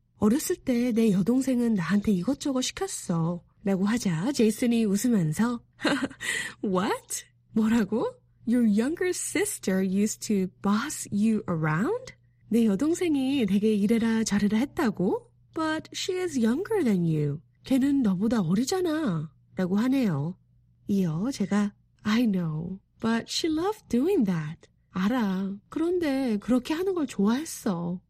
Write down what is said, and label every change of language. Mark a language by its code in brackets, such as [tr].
[ko] 어렸을 때 내 여동생은 나한테 이것저것 시켰어. 라고 하자 제이슨이 웃으면서 [en] What? [ko] 뭐라고? [en] Your younger sister used to boss you around? [ko] 내 여동생이 되게 이래라 저래라 했다고? [en] But she is younger than you. [ko] 걔는 너보다 어리잖아. 라고 하네요. 이어 제가 [en] I know, but she loved doing that. [ko] 알아. 그런데 그렇게 하는 걸 좋아했어.